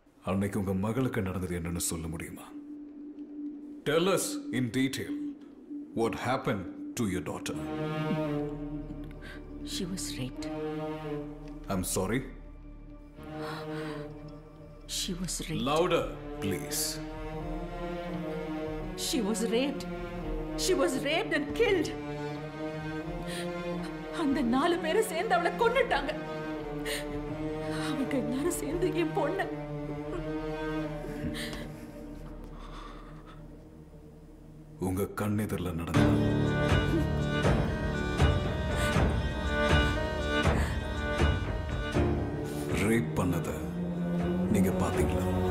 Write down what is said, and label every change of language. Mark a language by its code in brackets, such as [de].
[ta] அன்னைக்கு உங்க மகளுக்கு நடந்தது என்னன்னு சொல்ல முடியுமா? [en] Tell us in detail what happened to your daughter. She was raped. I'm sorry. She was raped. Louder, please. She was raped. She was raped and killed. [ta] அந்த நாலு பேரை சேர்ந்து அவளை கொன்னுட்டாங்க. அவங்க எல்லாரும் சேர்ந்து என் பொண்ணு. உங்க கண் எதிரில் நடந்த ரேப் பண்ணத நீங்க பாத்தீங்களா?